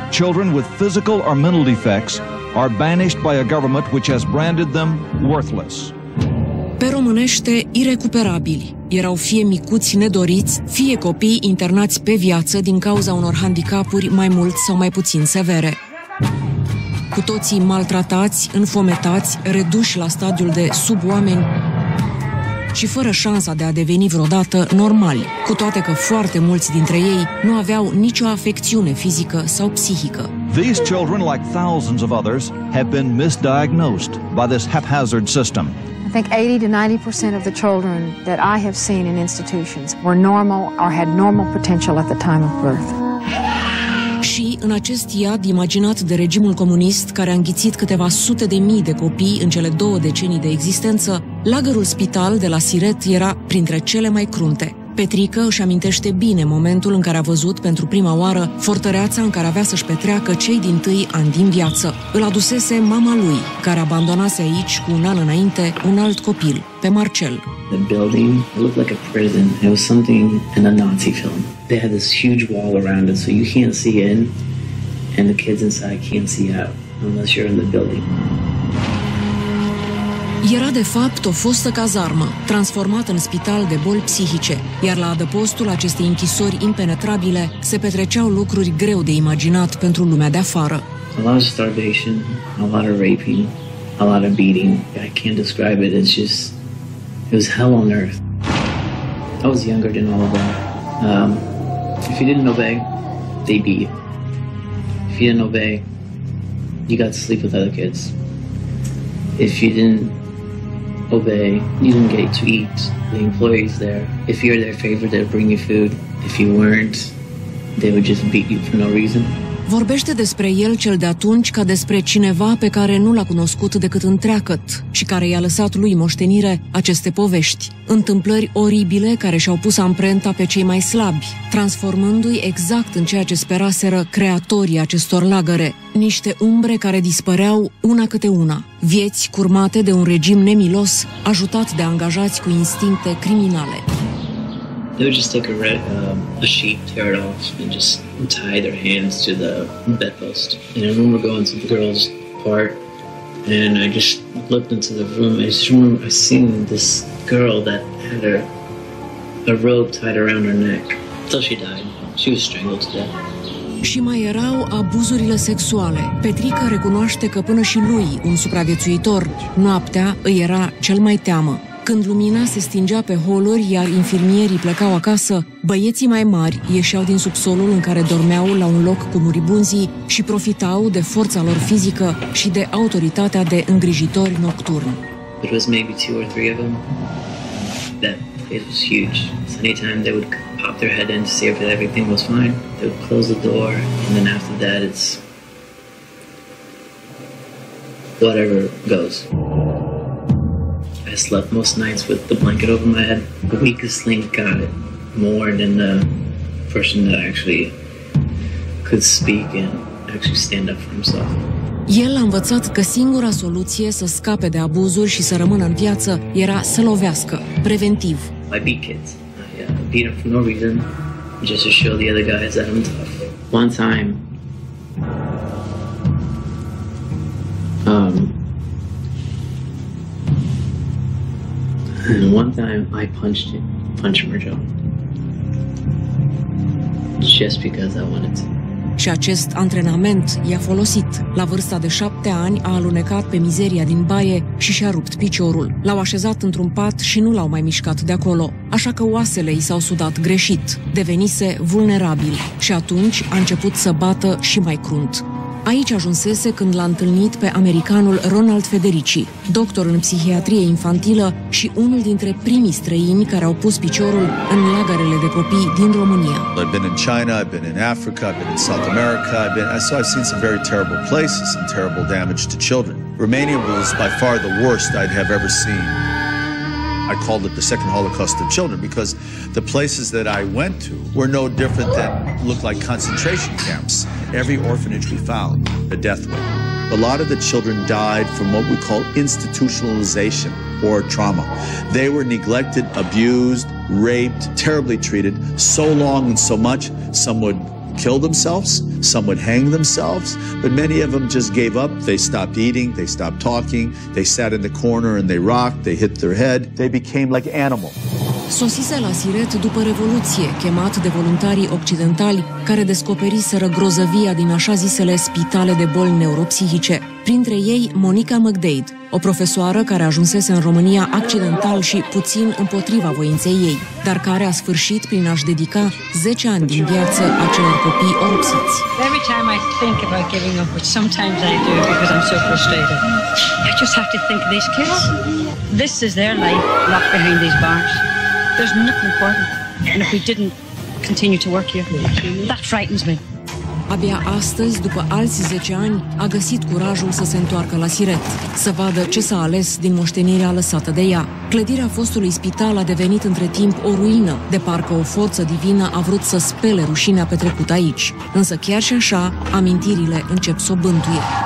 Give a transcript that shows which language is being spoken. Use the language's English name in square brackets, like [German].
[English] Children with physical or mental defects are banished by a government which has branded them worthless. [Romanian] Pe românește, irecuperabili. Erau fie micuți nedoriți, fie copii internați pe viață din cauza unor handicapuri mai mult sau mai puțin severe. Cu toții maltratați, înfometați, reduși la stadiul de sub-oameni și fără șansa de a deveni vreodată normali, cu toate că foarte mulți dintre ei nu aveau nicio afecțiune fizică sau psihică. [English] These children, like thousands of others, have been misdiagnosed by this haphazard system. I think 80 to 90% of the children that I have seen in institutions were normal or had normal potential at the time of birth. [Romanian] Și în acest iad imaginat de regimul comunist care a înghițit câteva sute de mii de copii în cele două decenii de existență, lagărul spital de la Siret era printre cele mai crunte. Petrică își amintește bine momentul în care a văzut pentru prima oară fortăreața în care avea să-și petreacă cei din tâi ani din viață. Îl adusese mama lui, care abandonase aici cu un an înainte un alt copil, pe Marcel. [English] The building looked like a prison. It was something in a Nazi film. They had this huge wall around it, so you can't see in, and the kids inside can't see out, unless you're in the building. [Romanian] Era de fapt o fostă cazarmă, transformată în spital de boli psihice, iar la adăpostul acestei închisori impenetrabile se petreceau lucruri greu de imaginat pentru lumea de afară. [English] A lot of starvation, a lot of raping, a lot of beating. I can't describe it, it's just, it was hell on earth. I was younger than all of them. If you didn't obey, they beat you. If you didn't obey, you got to sleep with other kids. If you didn't obey, you didn't get to eat. The employees there, if you're their favorite, they'd bring you food. If you weren't, they would just beat you for no reason. [Romanian] Vorbește despre el cel de atunci ca despre cineva pe care nu l-a cunoscut decât întreacăt și care i-a lăsat lui moștenire aceste povești. Întâmplări oribile care și-au pus amprenta pe cei mai slabi, transformându-i exact în ceea ce speraseră creatorii acestor lagăre. Niște umbre care dispăreau una câte una. Vieți curmate de un regim nemilos, ajutat de angajați cu instincte criminale. [English] They would just take a sheet, tear it off, and just tie their hands to the bedpost. And I remember going to the girls' part, and I just looked into the room. I just remember seeing this girl that had a rope tied around her neck until she died. She was strangled to death. [Romanian] Și mai erau abuzurile sexuale. Petrica recunoaște că până și lui, un supraviețuitor, noaptea îi era cel mai teamă. Când lumina se stingea pe holuri, iar infirmierii plecau acasă, băieții mai mari ieșeau din subsolul în care dormeau la un loc cu muribunzii și profitau de forța lor fizică și de autoritatea de îngrijitori nocturni. [English] It was maybe two or three of them. That it was huge. So anytime they would pop their head in to see if everything was fine, they would close the door, and then after that it's whatever goes. I slept most nights with the blanket over my head. The weakest link got it more than the person that actually could speak and actually stand up for himself. [Romanian] El a învățat că singura soluție să scape de abuzuri și să rămână în viață era să lovească, preventiv. [English] I beat kids. I beat them for no reason, just to show the other guys that I'm tough. One time, I punched him, punched Mirjo. Just because I wanted to. [Romanian] Și acest antrenament i-a folosit. La vârsta de 7 ani a alunecat pe mizeria din baie și și-a rupt piciorul. L-au așezat într-un pat și nu l-au mai mișcat de acolo, așa că oasele i s-au sudat greșit. Devenise vulnerabil și atunci a început să bată și mai crunt. Aici ajunsese când l-a întâlnit pe americanul Ronald Federici, doctor în psihiatrie infantilă și unul dintre primii străini care au pus piciorul în lagărele de copii din România. [English] I've been in China, I've been in Africa, I've been in South America, I've seen some very terrible places and terrible damage to children. Romania was by far the worst I'd have ever seen. I called it the second Holocaust of children because the places that I went to were no different than looked like concentration camps. Every orphanage we found, a death rate. A lot of the children died from what we call institutionalization or trauma. They were neglected, abused, raped, terribly treated, so long and so much, some would kill themselves, some would hang themselves, but many of them just gave up. They stopped eating, they stopped talking, they sat in the corner and they rocked, they hit their head. They became like animals. [Romanian] Sosise la Siret după Revoluție, chemat de voluntarii occidentali care descoperiseră grozăvia din așa zisele spitale de boli neuropsihice. Printre ei, Monica McDade, o profesoară care ajunsese în România accidental și puțin împotriva voinței ei, dar care a sfârșit prin a-și dedica 10 ani din viață acelor copii oropsiți. [English] Every time I think about giving up, which sometimes I do because I'm so frustrated, I just have to think of these kids. This is their life locked behind these bars. There's nothing for them. And if we didn't continue to work here, that frightens me. [Romanian] Abia astăzi, după alți 10 ani, a găsit curajul să se întoarcă la Siret, să vadă ce s-a ales din moștenirea lăsată de ea. Clădirea fostului spital a devenit între timp o ruină, de parcă o forță divină a vrut să spele rușinea petrecută aici. Însă chiar și așa, amintirile încep să o bântuie.